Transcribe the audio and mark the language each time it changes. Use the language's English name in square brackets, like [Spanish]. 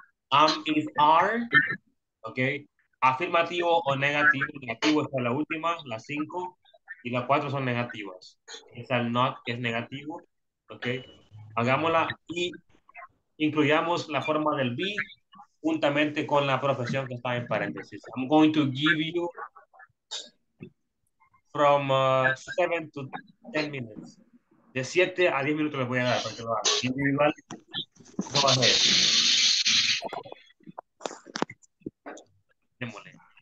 [English] Am, is, are. Okay. [Spanish] Afirmativo o negativo. Negativo está la última, la cinco. Y la cuatro son negativas. Es el not, que es negativo. Okay. Hagámosla y incluyamos la forma del be juntamente con la profesión que está en paréntesis. [English] I'm going to give you from 7 to 10 minutes. [Spanish] De 7 a 10 minutos les voy a dar para que lo hagan. Individual. Go ahead. Démosle.